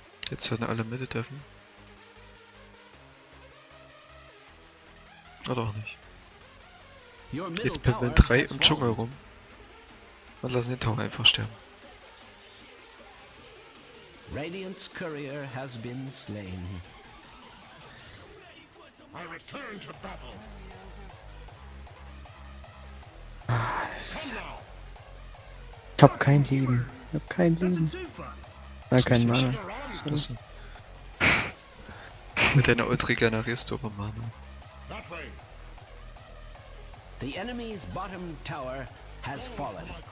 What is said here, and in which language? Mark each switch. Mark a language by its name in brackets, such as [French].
[German] Jetzt sollen alle Mitte dürfen. Oder auch nicht. Jetzt bin ich 3 im Dschungel rum. Und lassen den Tower einfach sterben. [English] Radiant's courier has been slain. I return to battle. [German] Ich hab kein Leben. Ich hab kein Leben. Na, kein Mana. Mit deiner Ultra generierst du aber Mana. [English] The enemy's bottom tower has fallen.